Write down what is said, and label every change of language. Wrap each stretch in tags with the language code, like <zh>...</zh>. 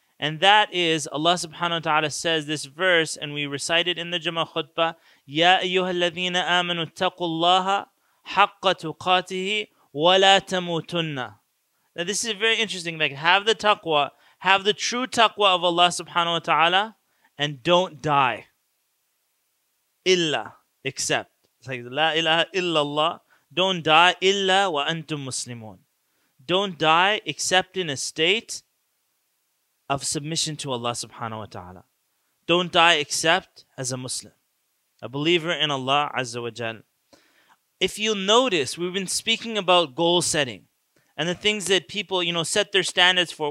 <en>And that is, Allah subhanahu wa ta'ala says this verse, and we recite it in the Jummah khutbah,</en> <ar>يَا أَيُّهَا الَّذِينَ آمَنُوا اتَّقُوا اللَّهَ حَقَّ تُقَاتِهِ وَلَا تَمُوتُنَّ.</ar> <en>Now this is very interesting, like have the taqwa, have the true taqwa of Allah subhanahu wa ta'ala, and don't die. إِلَّا, except. It's like,</en> <ar>لَا إِلَهَ إِلَّا اللَّهِ.</ar> <en>Don't die,</en> <ar>إِلَّا وَأَنْتُمْ مُسْلِمُونَ.</ar> <en>Don't die, except in a state of submission to Allah subhanahu wa ta'ala. Don't die except as a Muslim, a believer in Allah azza wa jal. If you notice, we've been speaking about goal setting and the things that people, you know, set their standards for.</en>